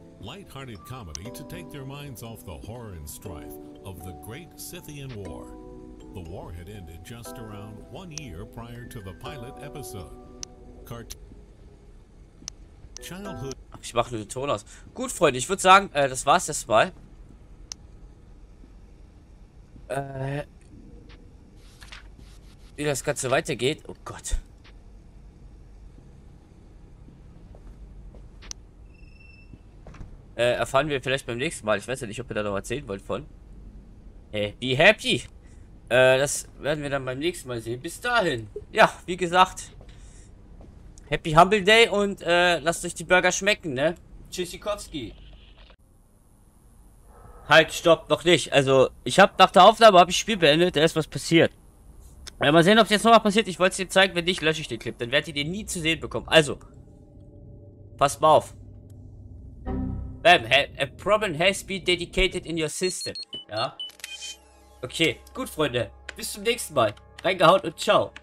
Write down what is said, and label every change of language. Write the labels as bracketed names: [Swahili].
[English] Light-hearted comedy to take their minds off the horror and strife of the Great Scythian War. The war had ended just around 1 year prior to the pilot episode. Childhood. [German] Ich mache nur den Ton aus. Gut, Freunde, ich würde sagen, das war's erstmal. Wie das Ganze weitergeht. Oh Gott. Erfahren wir vielleicht beim nächsten Mal. Ich weiß ja nicht, ob ihr da noch erzählen wollt von. [English] Hey, be happy! [German] Das werden wir dann beim nächsten Mal sehen. Bis dahin. Ja, wie gesagt. Happy Humble Day und lasst euch die Burger schmecken, ne? Tschüssikowski. Halt, stopp, noch nicht. Also, ich habe nach der Aufnahme habe ich Spiel beendet, da ist was passiert. Ja, mal sehen, ob es jetzt nochmal passiert. Ich wollte es dir zeigen, wenn nicht, lösche ich den Clip. Dann werdet ihr den nie zu sehen bekommen. Also, passt mal auf. [English] Bam, a problem has been dedicated in your system. [German] Ja. Okay, gut, Freunde. Bis zum nächsten Mal. Reingehauen und ciao.